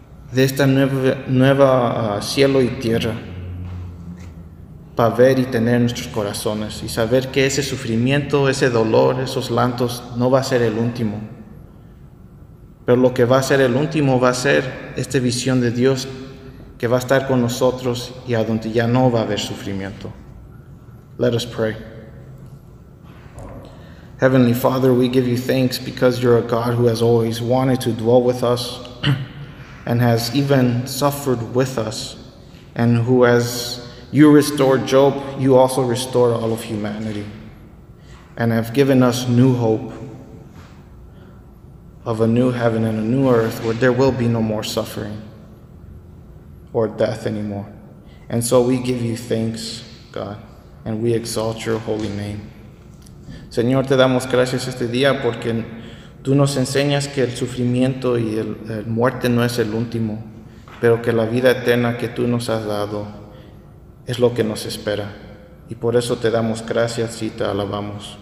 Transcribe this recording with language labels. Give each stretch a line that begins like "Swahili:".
Spanish: de esta nueva cielo y tierra, para ver y tener nuestros corazones y saber que ese sufrimiento, ese dolor, esos llantos no va a ser el último. Pero lo que va a ser el último va a ser esta visión de Dios que va a estar con nosotros y a donde ya no va a haber sufrimiento.
English: Let us pray. Heavenly Father, we give you thanks because you're a God who has always wanted to dwell with us and has even suffered with us, and who has You restored Job, you also restored all of humanity, and have given us new hope of a new heaven and a new earth where there will be no more suffering or death anymore. And so we give you thanks, God, and we exalt your holy name.
Spanish: Señor, te damos gracias este día porque tú nos enseñas que el sufrimiento y el muerte no es el último, pero que la vida eterna que tú nos has dado es lo que nos espera. Y por eso te damos gracias y te alabamos.